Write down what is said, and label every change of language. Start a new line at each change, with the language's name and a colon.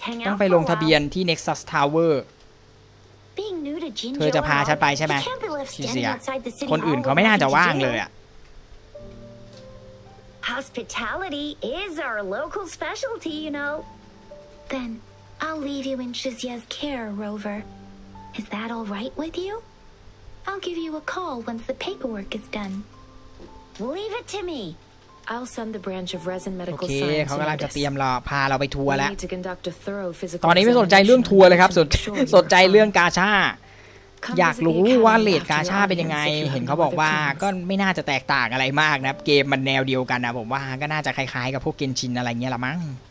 Thai: องไปลงทะเบียนที่ Nexus Tower เธอจะพาฉันไปใช่ไหมชิเซียคนอื่นเขาไม่น่าจะว่างเลยอ่ะ
English: Hospitality is our local specialty you know Then I'll leave you in Shizia's care Rover Is that all right with youI'll give you a call once the paperwork is done. Leave it to me. I'll send the branch of resin medical science.
Thai: โอเคเขากำลังจะเตรียมเราพาเราไปทัวร์แล้วตอนนี้ไม่สนใจเรื่องทัวร์เลยครับสนใจเรื่องกาชาอยากรู้ว่าเรทกาชาเป็นยังไงเห็นเขาบอกว่าก็ไม่น่าจะแตกต่างอะไรมากนะเกมมันแนวเดียวกันนะผมว่าก็น่าจะคล้ายๆกับพวกเกนชินอะไรเงี้ยละมั้ง